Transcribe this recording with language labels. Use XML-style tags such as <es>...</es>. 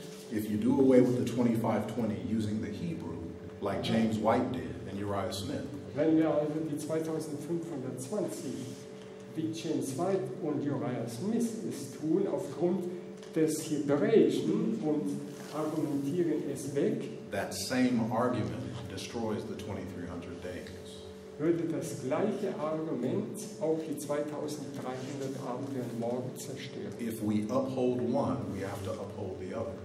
<en>if you do away with the 2520 using the Hebrew, like James White did and Uriah Smith.</en> <de>Wenn wir also die 2520, wie James White und Uriah Smith es tun, aufgrund des Hebräischen und argumentieren es weg.</de> <en>That same argument destroys the 2300 days.</en> <de>Würde das gleiche Argument auch die 2300 Abende und Morgen zerstören.</de> <en>If we uphold one, we have to uphold the other.</en>